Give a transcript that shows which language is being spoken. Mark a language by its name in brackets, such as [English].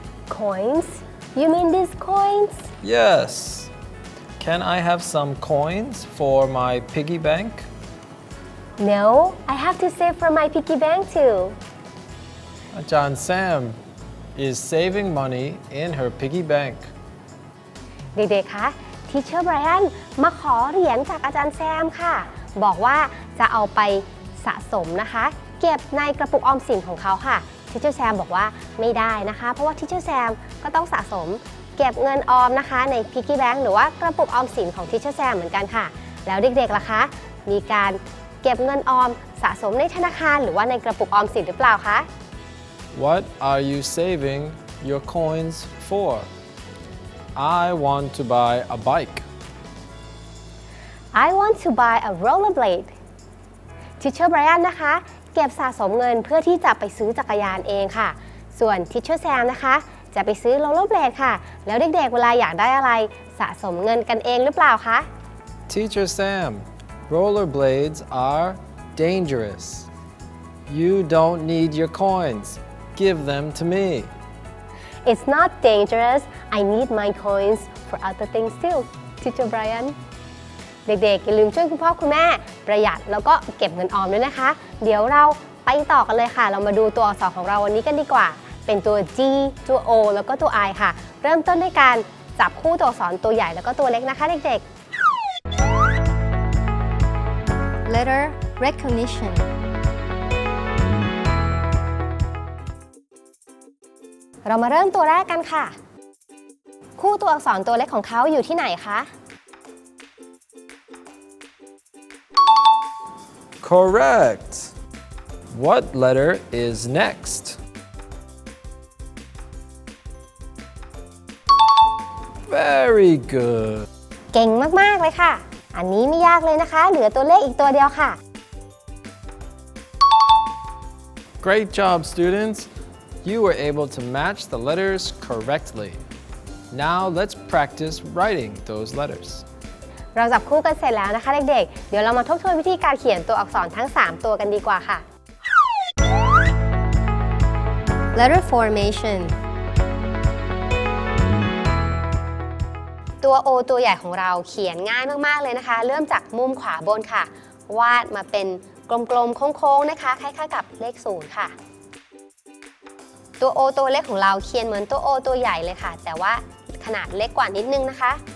[English] Coins? You mean these coins? Yes. Can I have some coins for my piggy bank? No, I have to save for my piggy bank too. Ajahn Sam is saving money in her piggy bank. [Thai] เด็กๆคะทีเชอร์ไบรอันมาขอเหรียญจากอาจารย์แซมค่ะบอกว่าจะเอาไปสะสมนะคะเก็บในกระปุกออมสินของเขาค่ะทีเชอร์แซมบอกว่าไม่ได้นะคะเพราะว่าทีเชอร์แซมก็ต้องสะสมเก็บเงินออมนะคะในพิกกี้แบงค์หรือว่ากระปุกออมสินของทีเชอร์แซมเหมือนกันค่ะแล้วเด็กๆล่ะคะมีการเก็บเงินออมสะสมในธนาคารหรือว่าในกระปุกออมสินหรือเปล่าคะ [English] What are you saving your coins for? I want to buy a bike. I want to buy a rollerblade. [Thai] Teacher Brian นะคะเก็บสะสมเงินเพื่อที่จะไปซื้อจักรยานเองค่ะส่วน Teacher Sam นะคะจะไปซื้อ rollerblade ค่ะแล้วเด็กๆเวลาอยากได้อะไรสะสมเงินกันเองหรือเปล่าคะ [English] Teacher Sam, rollerblades are dangerous. You don't need your coins. Give them to me. It's not dangerous. I need my coins for other things too, Teacher Brian. [Thai] เด็กๆอย่าลืมช่วยคุณพ่อคุณแม่ประหยัดแล้วก็เก็บเงินออมด้วยนะคะเดี๋ยวเราไปต่อกันเลยค่ะเรามาดูตัวอักษรของเราวันนี้กันดีกว่าเป็นตัว G ตัว O แล้วก็ตัว I ค่ะเริ่มต้นด้วยการจับคู่ตัวอักษรตัวใหญ่แล้วก็ตัวเล็กนะคะเด็ก [English] ๆ Letter recognition [Thai] เรามาเริ่มตัวแรกกันค่ะคู่ตัวอักษรตัวเล็กของเขาอยู่ที่ไหนคะ [English] Correct. What letter is next? Very good. [Thai] เก่งมากๆเลยค่ะอันนี้ไม่ยากเลยนะคะเหลือตัวเลขอีกตัวเดียวค่ะ [English] Great job, students. You were able to match the letters correctly. Now let's practice writing those letters. [Thai] เราจับคู่กันเสร็จแล้วนะคะเด็กๆ เดี๋ยวเรามาทบทวนวิธีการเขียนตัวอักษรทั้ง3ตัวกันดีกว่าค่ะ [English] Letter formation. [Thai] ตัว O ตัวใหญ่ของเราเขียนง่ายมากๆเลยนะคะเริ่มจากมุมขวาบนค่ะวาดมาเป็นกลมๆโค้งๆนะคะคล้ายๆกับเลข0ค่ะตัว O ตัวเล็กของเราเขียนเหมือนตัว O ตัวใหญ่เลยค่ะแต่ว่าขนาดเล็กกว่านิดนึงนะคะ